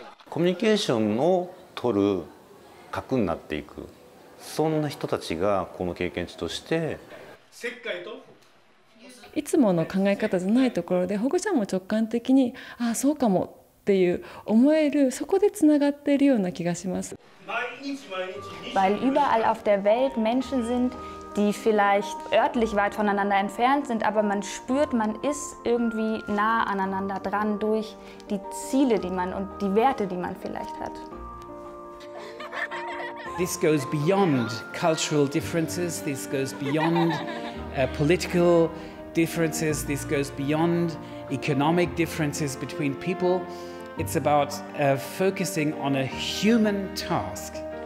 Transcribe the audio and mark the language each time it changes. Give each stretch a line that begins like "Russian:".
Japanese: コミュニケーションを取る核になっていく、そんな人たちがこの経験値として、いつもの考え方じゃないところで保護者も直感的に、ああそうかもっていう思える、そこでつながっているような気がします。
German: Weil überall auf der Welt Menschen sind, die vielleicht örtlich weit voneinander entfernt sind, aber man spürt, man ist irgendwie nah aneinander dran durch die Ziele, die man und die Werte, die man vielleicht hat.
English: This goes beyond cultural differences, this goes beyond political differences, this goes beyond economic differences between people. It's about focusing on a human task.